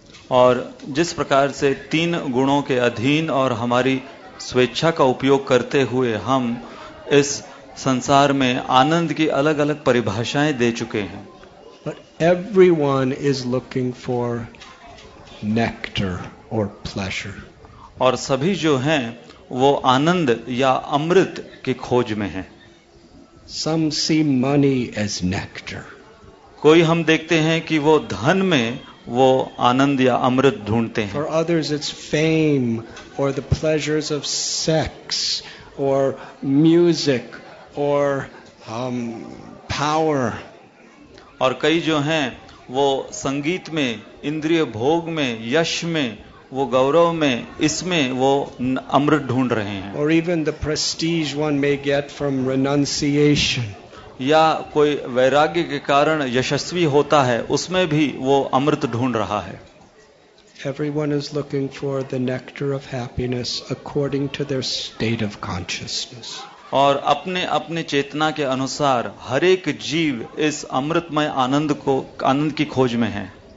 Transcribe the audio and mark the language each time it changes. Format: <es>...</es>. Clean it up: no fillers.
<hi>और जिस प्रकार से तीन गुणों के अधीन और हमारी स्वेच्छा का उपयोग करते हुए हम इस संसार में आनंद की अलग अलग परिभाषाएं दे चुके हैं.</hi> <en>But everyone is looking for nectar or pleasure.</en> <hi>और सभी जो हैं वो आनंद या अमृत की खोज में हैं.</hi> <en>Some see money as nectar.</en> <hi>कोई हम देखते हैं कि वो धन में वो आनंद या अमृत ढूंढते हैं.</hi> <en>For others it's fame or the pleasures of sex or music. Or power.</en> <hi>और कई जो हैं वो संगीत में इंद्रिय भोग में यश में वो गौरव में इसमें वो अमृत ढूंढ रहे हैं.</hi> <en>Or even the prestige one may get from renunciation.</en> <hi>या कोई वैराग्य के कारण यशस्वी होता है उसमें भी वो अमृत ढूंढ रहा है.</hi> <en>Everyone is looking for the nectar of happiness according to their state of consciousness.</en> <hi>और अपने अपने चेतना के अनुसार हर एक जीव इस अमृतमय आनंद को आनंद की खोज में है.</hi>